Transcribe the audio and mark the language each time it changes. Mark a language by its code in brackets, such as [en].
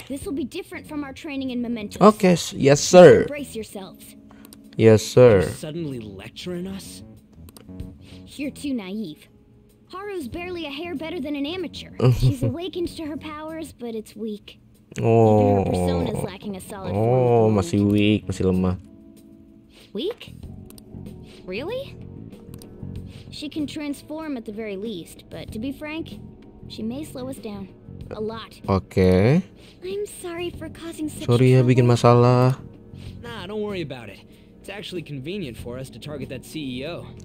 [en] This will be different from our training in Mementos. Okay, yes sir. Brace yourselves. Yes sir. Suddenly lecturing us? You're too naive. Haru's barely a hair better than an amateur. She's awakened to her powers, but it's weak. [id] Oh, masih weak, masih lemah. [en] Weak? Really? She can transform at the very least, but to be frank, she may slow us down a lot. Okay. I'm sorry for causing such. [id] Sorry ya bikin masalah. [en] Nah, don't worry about it. It's actually convenient for us to target that CEO.